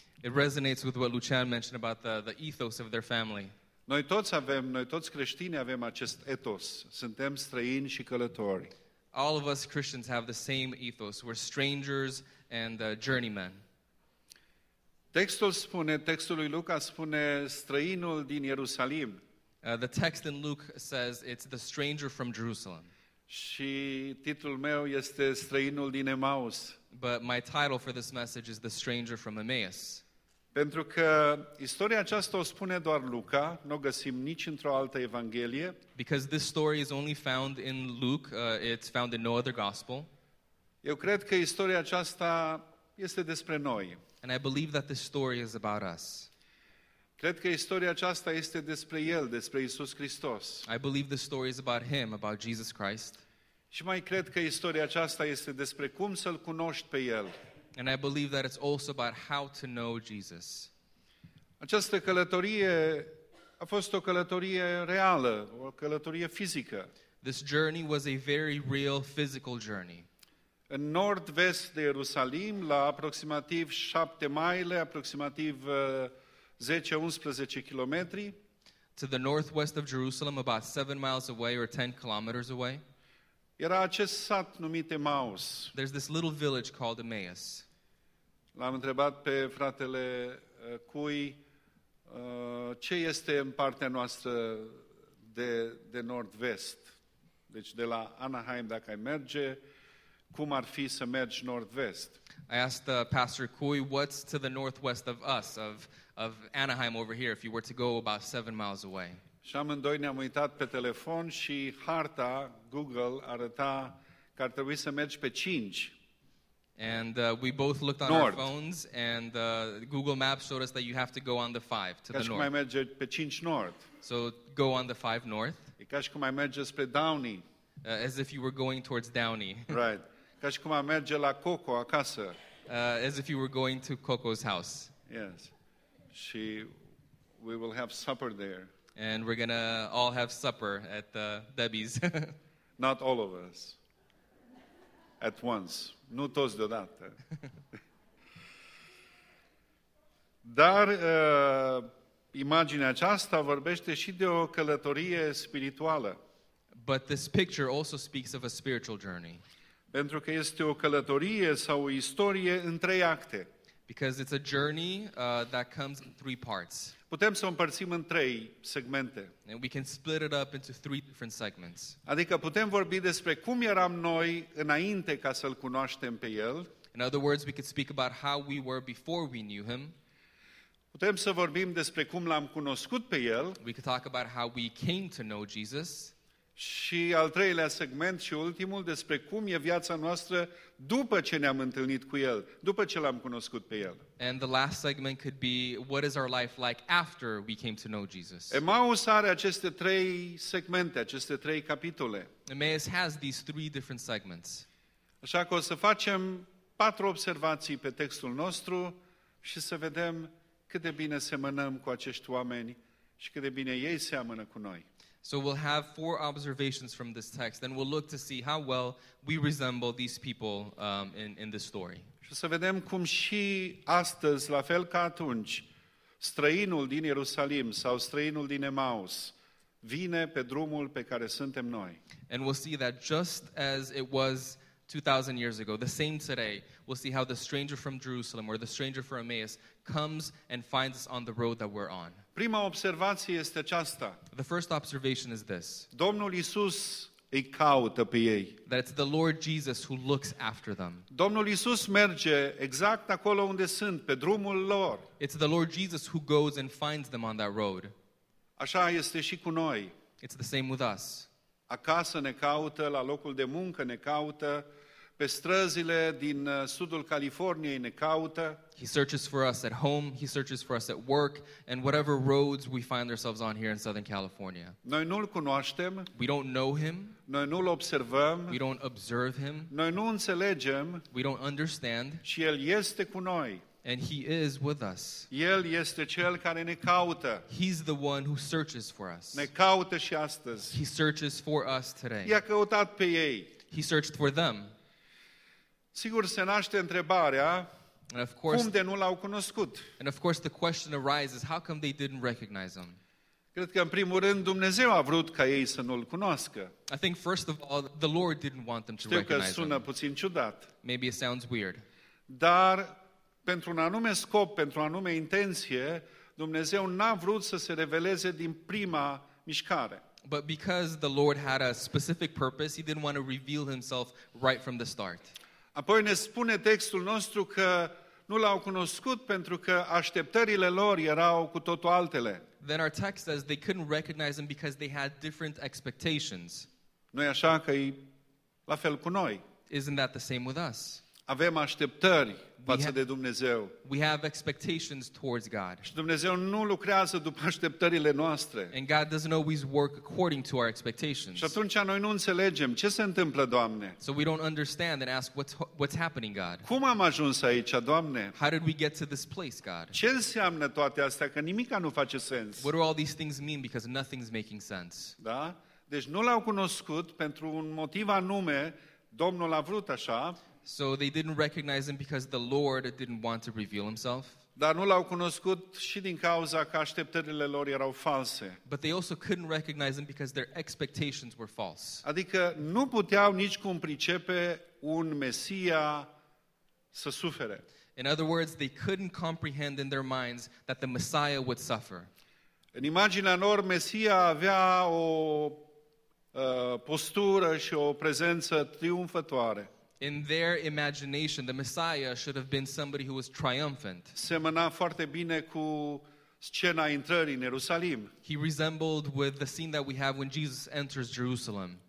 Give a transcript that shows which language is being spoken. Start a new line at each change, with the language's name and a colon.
English: It resonates with what Lucian mentioned about the ethos of their family.
Romanian: Noi toți avem, noi toți creștinii avem acest etos. Suntem străini și călători.
English: All of us Christians have the same ethos. We're strangers and journeymen.
Romanian: Textul spune, textul lui Luca spune străinul din Ierusalim.
English: The text in Luke says it's the stranger from Jerusalem.
Romanian: Și titlul meu este străinul din Emaus.
English: But my title for this message is the stranger from Emmaus.
Romanian: Pentru că istoria aceasta o spune doar Luca, nu o găsim nici într-o altă evanghelie.
English: Because this story is only found in Luke, it's found in no other gospel.
Romanian: Eu cred că istoria aceasta este despre noi.
English: And I believe that this story is about us.
Romanian: Cred că istoria aceasta este despre El, despre Iisus Hristos.
English: I believe the story is about Him, about Jesus Christ.
Romanian: Și mai cred că istoria aceasta este despre cum să-L cunoști pe El.
English: And I believe that it's also about how to know Jesus.
Romanian: Această călătorie a fost o călătorie reală, o călătorie fizică.
English: This journey was a very real physical journey.
Romanian: În nord-vest de Ierusalim, la aproximativ 7 mile, aproximativ 10-11 kilometri.
English: To the northwest of Jerusalem, about 7 miles away or 10 kilometers away.
Romanian: Era acest sat numit Emaus.
English: There's this little village called Emmaus.
Romanian: L-am întrebat pe fratele Cui ce este în partea noastră de nord-vest. Deci de la Anaheim, dacă ai merge, cum ar fi să mergi nord-vest?
English: I asked Pastor Cui, what's to the northwest of us, of Anaheim over here, if you were to go about 7 miles away?
Romanian: Și amândoi ne-am uitat pe telefon și harta Google arăta că ar trebui să mergi pe 5.
English: And we both looked on north. Our phones, and Google Maps showed us that you have to go on the 5 to
Romanian: ca Ca și cum ai merge pe 5 north.
English: So go on the 5 north.
Romanian: E ca și cum ai merge spre Downey.
English: As if you were going towards Downey. Right.
Romanian: Ca și cum ai merge la Coco acasă.
English: As if you were going to Coco's house. Yes. Și we will have supper there. And we're going to all have supper at Debbie's. Not all of us. At once.
Romanian: Nu toți deodată. Dar imaginea aceasta vorbește și de o călătorie spirituală.
English: But this picture also speaks of a spiritual journey.
Romanian: Pentru că este o călătorie sau o istorie în trei acte.
English: Because it's a journey that comes in three parts.
Romanian: Putem să o împărțim în trei segmente.
English: And we can split it up into three different segments.
Romanian: Adică putem vorbi despre cum eram noi înainte ca să-L cunoaștem pe El.
English: In other words, we could speak about how we were before we knew Him.
Romanian: Putem să vorbim despre cum L-am cunoscut pe El.
English: We could talk about how we came to know Jesus.
Romanian: Și al treilea segment și ultimul, despre cum e viața noastră după ce ne-am întâlnit cu El, după ce L-am cunoscut pe El.
English: And the last segment could be, what is our life like after we came to know Jesus?
Romanian: Emmaus are aceste trei segmente, aceste trei capitole.
English: Emmaus has these three different segments.
Romanian: Așa că o să facem patru observații pe textul nostru și să vedem cât de bine semănăm cu acești oameni și cât de bine ei seamănă cu noi.
English: So we'll have four observations from this text, and we'll look to see how well we resemble these people in this story.
Romanian: Și să vedem cum și astăzi, la fel ca atunci, străinul din Ierusalim sau străinul din Emmaus vine pe drumul pe care suntem noi.
English: And we'll see that just as it was 2,000 years ago, the same today, we'll see how the stranger from Jerusalem or the stranger from Emmaus comes and finds us on the road that we're on.
Romanian: Prima observație este aceasta.
English: The first observation is this.
Romanian: Domnul Iisus îi caută pe ei.
English: That it's the Lord Jesus who looks after them.
Romanian: Domnul Iisus merge exact acolo unde sunt, pe drumul lor.
English: It's the Lord Jesus who goes and finds them on that road.
Romanian: Așa este și cu noi.
English: It's the same with us.
Romanian: Acasă ne caută, la locul de muncă ne caută, pe străzile din sudul Californiei ne caută.
English: He searches for us at home, he searches for us at work, and whatever roads we find ourselves on here in Southern California.
Romanian: Noi nu-L cunoaștem.
English: We don't know Him.
Romanian: Noi nu-L observăm.
English: We don't observe Him.
Romanian: Noi nu înțelegem.
English: We don't understand.
Romanian: Și El este cu noi.
English: And He is with us.
Romanian: El este cel care ne caută.
English: He's the one who searches for us.
Romanian: Ne caută și astăzi.
English: He searches for us today.
Romanian: I-a căutat pe ei.
English: He searched for them.
Romanian: Sigur se naște întrebarea, cum de nu L-au cunoscut?
English: And of course the question arises, how come they didn't recognize Him?
Romanian: Cred că în primul rând Dumnezeu a vrut ca ei să nu-L cunoască.
English: I think first of all the Lord didn't want them to recognize Him.
Romanian: Știu că sună puțin ciudat.
English: Maybe it sounds weird.
Romanian: Dar pentru un anume scop, pentru o anume intenție, Dumnezeu n-a vrut să se reveleze din prima mișcare.
English: But because the Lord had a specific purpose, He didn't want to reveal Himself right from the start.
Romanian: Apoi ne spune textul nostru că nu L-au cunoscut pentru că așteptările lor erau cu totul altele.
English: Then our text says they couldn't recognize Him because they had different expectations.
Romanian: Nu-i așa că e la fel cu noi?
English: Isn't that the same with us?
Romanian: Avem așteptări față de Dumnezeu.
English: We have expectations towards God.
Romanian: Și Dumnezeu nu lucrează după așteptările noastre.
English: And God doesn't always work according to our expectations.
Romanian: Și atunci noi nu înțelegem ce se întâmplă, Doamne.
English: So we don't understand and ask what's happening, God.
Romanian: Cum am ajuns aici, Doamne?
English: How did we get to this place, God?
Romanian: Ce înseamnă toate astea, că nimica nu face sens?
English: What do all these things mean because nothing's making sense?
Romanian: Da? Deci nu L-au cunoscut pentru un motiv anume, Domnul a vrut așa.
English: So they didn't recognize Him because the Lord didn't want to reveal Himself.
Romanian: Dar nu L-au cunoscut și din cauza că așteptările lor erau false.
English: But they also couldn't recognize Him because their expectations were false.
Romanian: Adică nu puteau nici cum pricepe un Mesia să sufere.
English: In other words, they couldn't comprehend in their minds that the Messiah would suffer.
Romanian: În imaginea lor, Mesia avea o postură și o prezență triumfătoare.
English: In their imagination, the Messiah should have been somebody who was triumphant.
Romanian: Semăna foarte bine cu scena intrării în Ierusalim.
English: He resembled with the scene that we have when Jesus enters Jerusalem.